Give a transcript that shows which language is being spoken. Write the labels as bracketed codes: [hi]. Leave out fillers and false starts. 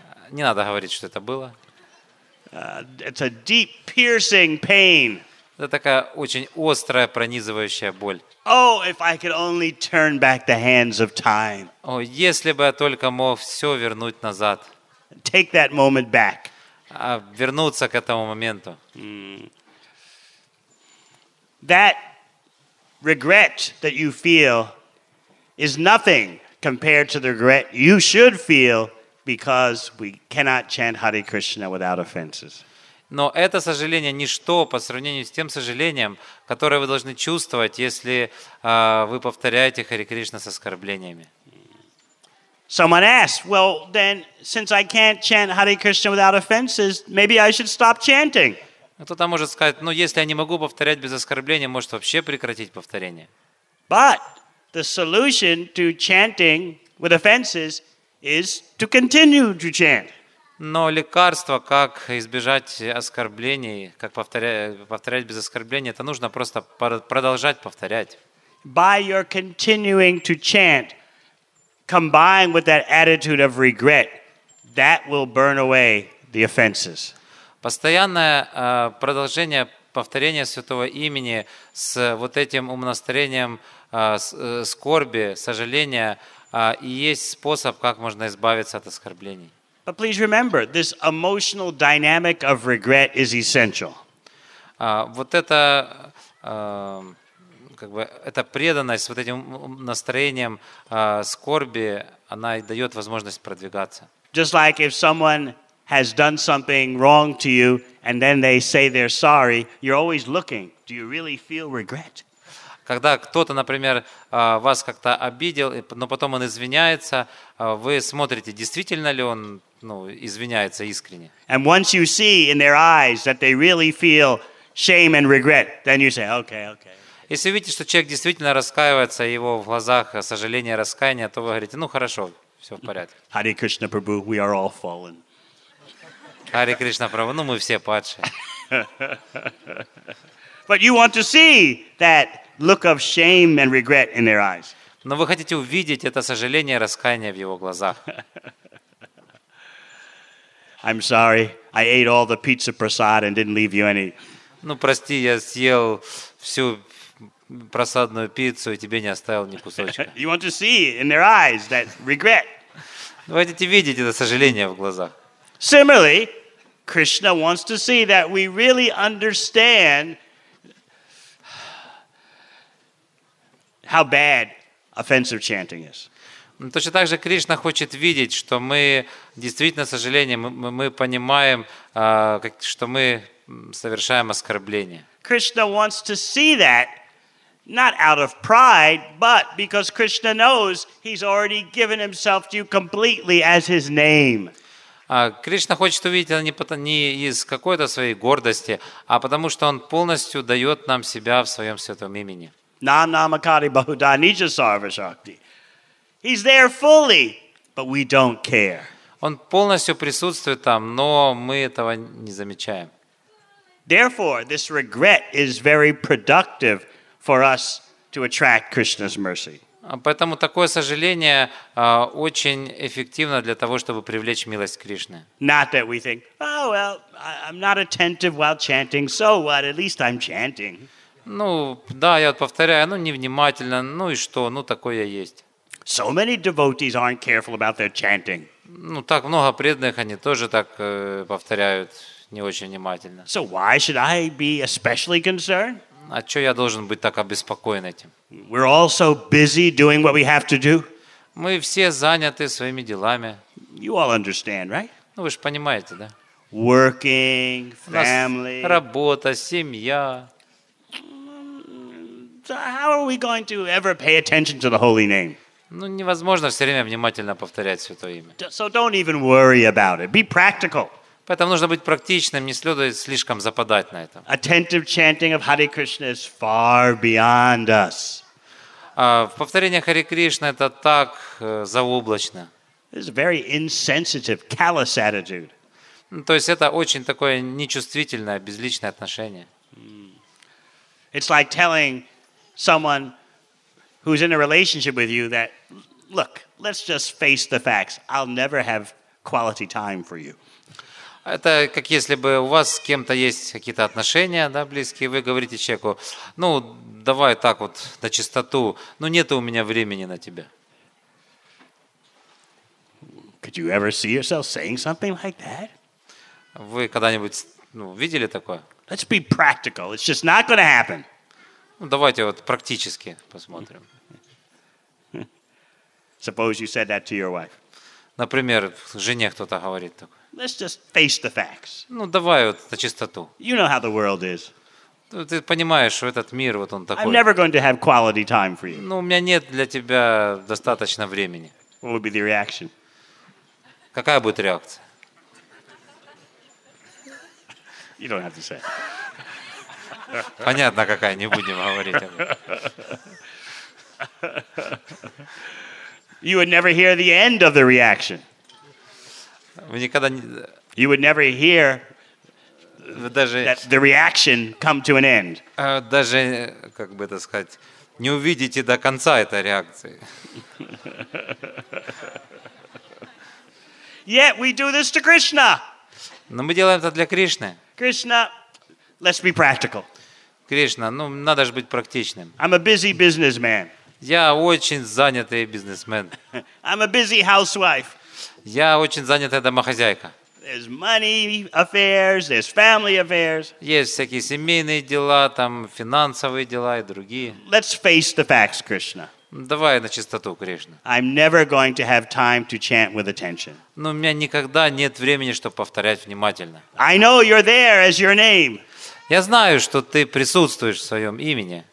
[ru] Не надо говорить, что это было. [en] It's a deep, piercing pain. [ru] Это такая очень острая, пронизывающая боль. [en] Oh, if I could only turn back the hands of time. [ru] О, если бы я только мог все вернуть назад. [en] Take that moment back. [ru] Вернуться к этому моменту. [en] That regret that you feel is nothing compared to the regret you should feel because we cannot chant Hare Krishna without offenses. [ru] Но это сожаление ничто по сравнению с тем сожалением, которое вы должны чувствовать, если вы повторяете Хари Кришна с оскорблениями. [en] Someone asked, well, then, since I can't chant Hare Krishna without offenses, maybe I should stop chanting. [ru] Кто-то может сказать, ну, если я не могу повторять без оскорблений, может вообще прекратить повторение. [en] But the solution to chanting with offenses is to continue to chant. [ru] Но лекарство, как избежать оскорблений, как повторять без оскорблений, это нужно просто продолжать повторять. [en] By your continuing to chant, combined with that attitude of regret, that will burn away the offenses. [ru] Постоянное продолжение повторения святого имени с вот этим умонастроением скорби, сожаления, и есть способ, как можно избавиться от оскорблений. [en] But please remember, this emotional dynamic of regret is essential. [ru] Вот это, как бы, эта преданность, вот этим настроением скорби, она и дает возможность продвигаться. [en] Just like if someone has done something wrong to you, and then they say they're sorry, you're always looking. Do you really feel regret? [ru] Когда кто-то, например, вас как-то обидел, но потом он извиняется, вы смотрите, действительно ли он, ну, извиняется искренне. [en] And once you see in their eyes that they really feel shame and regret, then you say, okay. [ru] Если видите, что человек действительно раскаивается, его в глазах сожаление, раскаяние, то вы говорите, ну хорошо, все в порядке. [en] Hare Krishna Prabhu, we are all fallen. [ru] Hare Krishna Prabhu, ну мы все падшие. [en] But you want to see that look of shame and regret in their eyes. [ru] Но вы хотите увидеть это сожаление, раскаяние в его глазах. [en] I'm sorry. I ate all the pizza prasad and didn't leave you any. [ru] Ну прости, я съел всю просадную пиццу и тебе не оставил ни кусочка. [en] You want to see in their eyes that regret. [ru] Вы хотите видеть это сожаление в глазах. [en] Similarly, Krishna wants to see that we really understand how bad offensive chanting is. [ru] Точно так же Кришна хочет видеть, что мы действительно, к сожалению, мы понимаем, что мы совершаем оскорбление. [en] Krishna wants to see that not out of pride, but because Krishna knows he's already given himself to you completely as his name. [ru] Кришна хочет увидеть это не из какой-то своей гордости, а потому что он полностью дает нам себя в своем святом имени. [sa] Nanamakari Bahuda Nijasarva Shakti. [en] He's there fully, but we don't care. [ru] Он полностью присутствует там, но мы этого не замечаем. [en] Therefore, this regret is very productive for us to attract Krishna's mercy. [ru] Поэтому такое сожаление очень эффективно для того, чтобы привлечь милость Кришны. [en] Not that we think, oh well, I'm not attentive while chanting, so what? At least I'm chanting. [ru] Ну, да, я повторяю, ну невнимательно, ну и что, ну такое есть. [en] So many devotees aren't careful about their chanting. [ru] Ну, так много преданных, они тоже так повторяют не очень внимательно. [en] So why should I be especially concerned? [ru] А что я должен быть так обеспокоен этим? [en] We're all so busy doing what we have to do. [ru] Мы все заняты своими делами. [en] You all understand, right? [ru] Ну, вы же понимаете, да? [en] Working, family. [ru] Работа, семья. [en] So how are we going to ever pay attention to the holy name? [ru] Ну, невозможно все время внимательно повторять святое имя. [en] So don't even worry about it. Be practical. [ru] Поэтому нужно быть практичным, не следует слишком западать на этом. [en] Attentive chanting of Hare Krishna is far beyond us. [ru] Повторение Харе Кришна это так заоблачно. [en] This is a very insensitive, callous attitude. [ru] То есть это очень такое нечувствительное, безличное отношение. [en] It's like telling someone who's in a relationship with you that, look, let's just face the facts. I'll never have quality time for you. [ru] Это как если бы у вас с кем-то есть какие-то отношения, да, близкие, вы говорите человеку, ну, давай так вот, на чистоту, ну, нет у меня времени на тебя. [en] Could you ever see yourself saying something like that? [ru] Вы когда-нибудь, ну, видели такое? [en] Let's be practical. It's just not going to happen. [ru] Ну, давайте вот практически посмотрим. [en] Suppose you said that to your wife. [ru] Например, жене кто-то говорит такое. [en] Let's just face the facts. [ru] Ну, давай вот на чистоту. [en] You know how the world is. [ru] Ты понимаешь, что этот мир, вот он такой. [en] I'm never going to have quality time for you. [ru] Ну, у меня нет для тебя достаточно времени. [en] What would be the reaction? [ru] Какая будет реакция? [en] You don't have to say. [ru] Понятно, какая, не будем говорить об этом. [en] You would never hear the end of the reaction. You would never hear that the reaction come to an end. [ru] Даже, как бы это сказать, не увидите до конца этой реакции. [en] Yet we do this to Krishna. [ru] Но мы делаем это для Кришны. [en] Krishna, let's be practical. [ru] Кришна, ну надо же быть практичным. [en] I'm a busy businessman. [ru] Я очень занятый бизнесмен. [en] I'm a busy housewife. [ru] Я очень занятая домохозяйка. [en] There's money affairs, there's family affairs. [ru] Есть всякие семейные дела, там финансовые дела и другие. [en] Let's face the facts, Krishna. [ru] Давай на чистоту, Кришна. [en] I'm never going to have time to chant with attention. [ru] Но у меня никогда нет времени, чтобы повторять внимательно. [en] I know you're there as your name. [ru] Я знаю, что ты присутствуешь в своем имени.